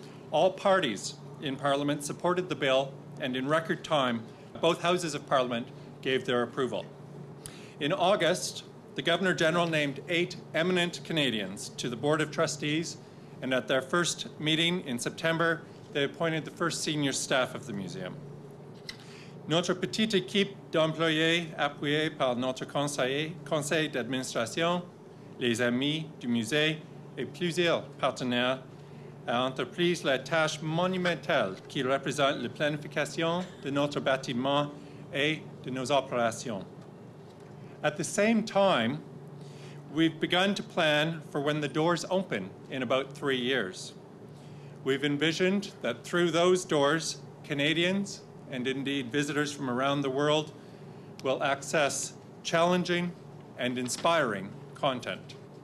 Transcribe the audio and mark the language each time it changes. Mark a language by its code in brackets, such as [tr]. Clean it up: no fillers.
[en] All parties in Parliament supported the bill, and in record time, both Houses of Parliament gave their approval. In August, the Governor General named eight eminent Canadians to the Board of Trustees. And at their first meeting in September, they appointed the first senior staff of the museum. [fr] Notre petite équipe d'employés appuyée par notre conseil d'administration, les amis du musée et plusieurs partenaires a entrepris la tâche monumentale qui représente la planification de notre bâtiment et de nos opérations. [en] At the same time, we've begun to plan for when the doors open in about 3 years. We've envisioned that through those doors, Canadians, and indeed visitors from around the world, will access challenging and inspiring content.